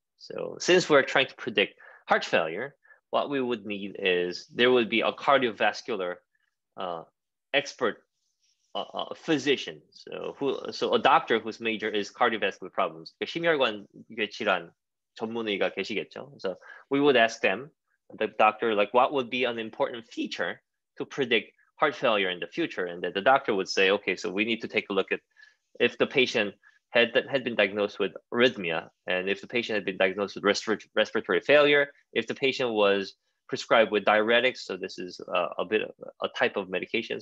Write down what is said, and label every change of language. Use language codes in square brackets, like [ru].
[en] So since we're trying to predict heart failure, what we would need is there would be a cardiovascular expert, a physician, so a doctor whose major is cardiovascular problems. [ko] 심혈관 질환 전문의가 계시겠죠. [en] So we would ask them, the doctor, like, what would be an important feature to predict heart failure in the future? And then the doctor would say, okay, so we need to take a look at if the patient had been diagnosed with arrhythmia, and if the patient had been diagnosed with respiratory failure, if the patient was prescribed with diuretics, so this is a bit of a type of medication.